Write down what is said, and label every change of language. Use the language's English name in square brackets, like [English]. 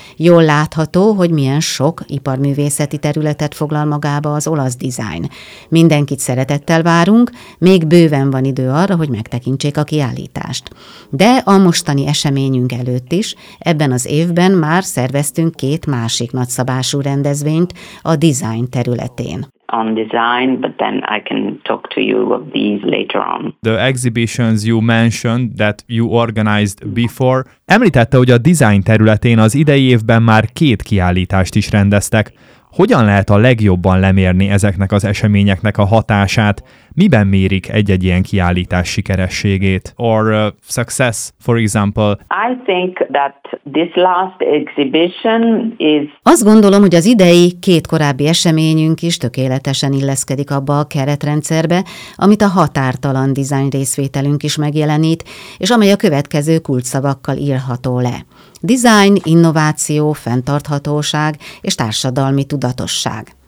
[Hungarian] Jól látható, hogy milyen sok iparművészeti területet foglal magába az olasz dizájn. Mindenkit szeretettel várunk, még bőven van idő arra, hogy megtekintsék a kiállítást. De a mostani eseményünk előtt is, ebben az évben már szerveztünk két másik nagyszabású rendezvényt a dizájn területén. [English] On design, but then I can talk to you of these later on. The exhibitions you mentioned that you organized before. [Hungarian] Említette, hogy a design területén az idei évben már két kiállítást is rendeztek. Hogyan lehet a legjobban lemérni ezeknek az eseményeknek a hatását? Miben mérik egy-egy ilyen kiállítás sikerességét? [English] Or success, for example. I think that this last exhibition is... [Hungarian] Azt gondolom, hogy az idei két korábbi eseményünk is tökéletesen illeszkedik abba a keretrendszerbe, amit a Határtalan Design részvételünk is megjelenít, és amely a következő kulcsszavakkal írható le. Design, innováció, fenntarthatóság és társadalmi tudatosság.